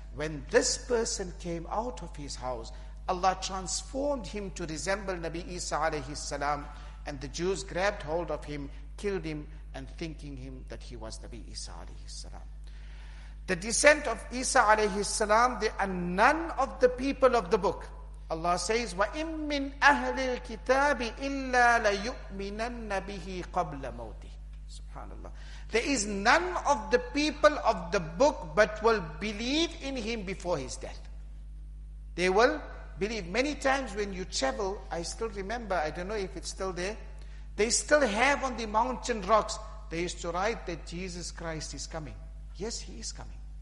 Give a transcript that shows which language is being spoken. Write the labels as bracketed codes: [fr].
[en] When this person came out of his house, Allah transformed him to resemble Nabi Isa alayhi salam, and the Jews grabbed hold of him, killed him, and thinking him that he was Nabi Isa alayhi salam. The descent of Isa alayhi salam, there are none of the people of the book. Allah says, [ar] وَإِن مِّنْ أَهْلِ الْكِتَابِ إِلَّا لَيُؤْمِنَنَّ بِهِ قَبْلَ مَوْتِهِ. [en] Subhanallah. There is none of the people of the book but will believe in him before his death. They will believe. Many times when you travel, I still remember, I don't know if it's still there, they still have on the mountain rocks, they used to write that Jesus Christ is coming. Yes, he is coming.